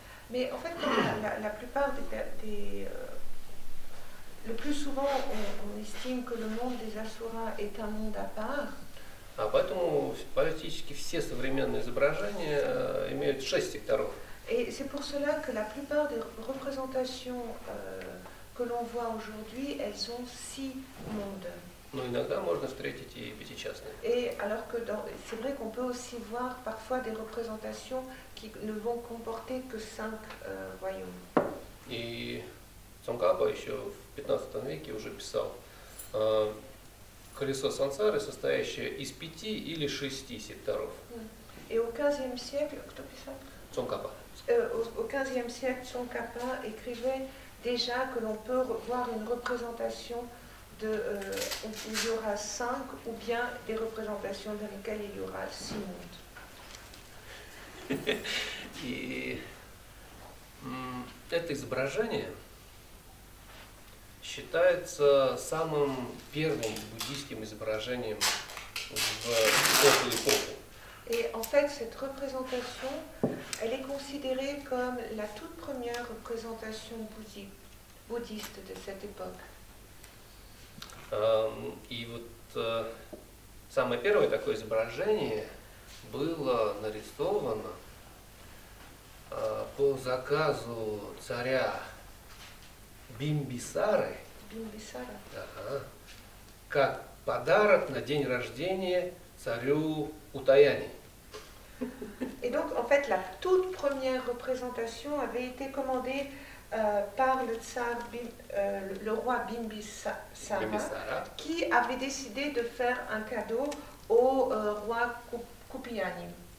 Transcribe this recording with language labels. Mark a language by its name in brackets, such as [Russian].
[French] Mais en fait, la plupart des le plus souvent, on estime que le monde des asuras est un monde à part. [Russian] А поэтому практически все современные изображения имеют шесть секторов. [French] Et c'est pour cela que la plupart des représentations que l'on voit aujourd'hui, elles ont six mondes. [Russian] Но иногда можно встретить и пятичастные. [French] Et alors que c'est vrai qu'on peut aussi voir parfois des représentations qui ne vont comporter que cinq royaumes. [Russian] И Цонгапа еще в 15 веке уже писал колесо сансары, состоящее из пяти или шести секторов. [French] Et au 15e siècle, [Russian] кто писал? Цонгапа. [French] Au 15e siècle, Цонгапа écrivait déjà que l'on peut voir une représentation de où il y aura cinq ou bien des représentations dans lesquelles il y aura six mondes. [Russian] Это изображение считается самым первым буддийским изображением в эту эпоху. [French] Et en fait, cette représentation, elle est considérée comme la toute première représentation bouddhique. [Russian] Буддисты [French] de cette époque. [Russian] И вот самое первое такое изображение было нарисовано по заказу царя Бимбисары. Бимбисара. Как подарок на день рождения царю Утаяни. [French] Et donc, en fait, la toute première représentation avait été commandée par le tsar le roi Bimbisara qui avait décidé de faire un cadeau au roi Kupiyani.